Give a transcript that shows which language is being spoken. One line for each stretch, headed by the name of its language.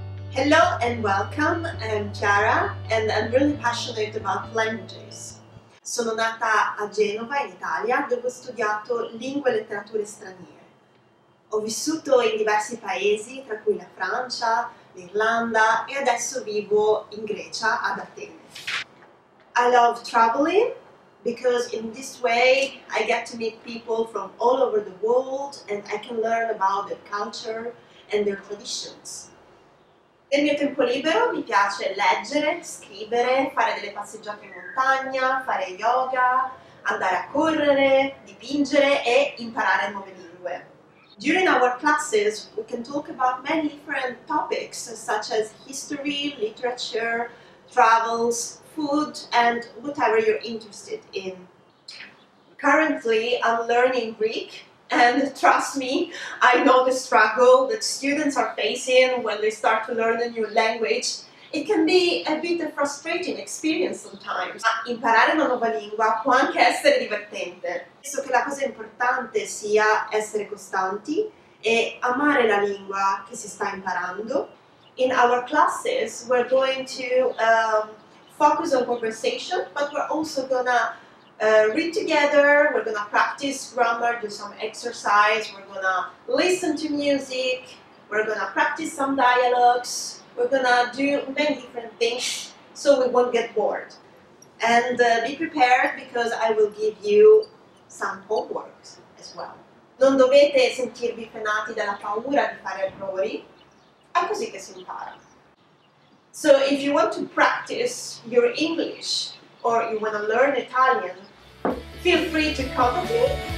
English: Hello and welcome, I'm Chiara and I'm really passionate about languages.
Italian: Sono nata a Genova, in Italia, dove ho studiato lingue e letterature straniere. Ho vissuto in diversi paesi, tra cui la Francia, l'Irlanda e adesso vivo in Grecia, ad Atene.
English: I love traveling because in this way I get to meet people from all over the world and I can learn about their culture and their traditions.
Italian: Nel mio tempo libero mi piace leggere, scrivere, fare delle passeggiate in montagna, fare yoga, andare a correre, dipingere e imparare nuove lingue.
English: During our classes we can talk about many different topics such as history, literature, travels, food and whatever you're interested in. Currently I'm learning Greek. And trust me, I know the struggle that students are facing when they start to learn a new language. It can be a bit of a frustrating experience sometimes.
Italian: Ma imparare una nuova lingua può anche essere divertente. Penso che la cosa importante sia essere costanti e amare la lingua che si sta imparando.
English: In our classes, we're going to focus on conversation, but we're also gonna read together, we're gonna practice grammar, do some exercise, we're gonna listen to music, we're gonna practice some dialogues, we're gonna do many different things so we won't get bored. And be prepared because I will give you some homework as well.
Italian: Non dovete sentirvi frenati dalla paura di fare errori, è così che si impara.
English: So if you want to practice your English or you want to learn Italian, feel free to contact me.